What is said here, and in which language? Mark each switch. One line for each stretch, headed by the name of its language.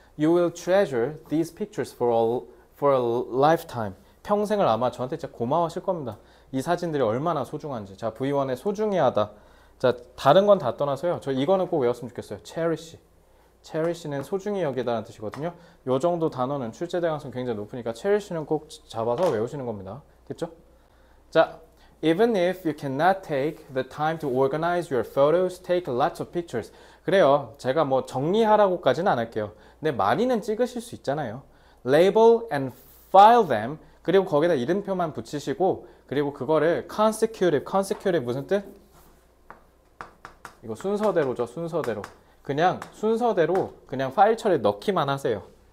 English: You will treasure these pictures for a lifetime.
Korean: 평생을 아마 저한테 진짜 고마워하실 겁니다. 이 사진들이 얼마나 소중한지. 자, V1의 소중히 하다. 자, 다른 건 다 떠나서요. 저 이거는 꼭 외웠으면 좋겠어요. Cherish. cherish는 소중히 여기다라는 뜻이거든요. 요 정도 단어는 출제 대항성 굉장히 높으니까 cherish는 꼭 잡아서 외우시는 겁니다. 됐죠?
English: 자, even if you cannot take the time to organize your photos, take lots of pictures.
Korean: 그래요. 제가 뭐 정리하라고까지는 안 할게요. 근데 많이는 찍으실 수 있잖아요.
English: Label and file them.
Korean: 그리고 거기다 이름표만 붙이시고, 그리고 그거를 consecutive. consecutive 무슨 뜻? 이거 순서대로죠. 순서대로. 그냥 순서대로 그냥 파일처리 넣기만 하세요.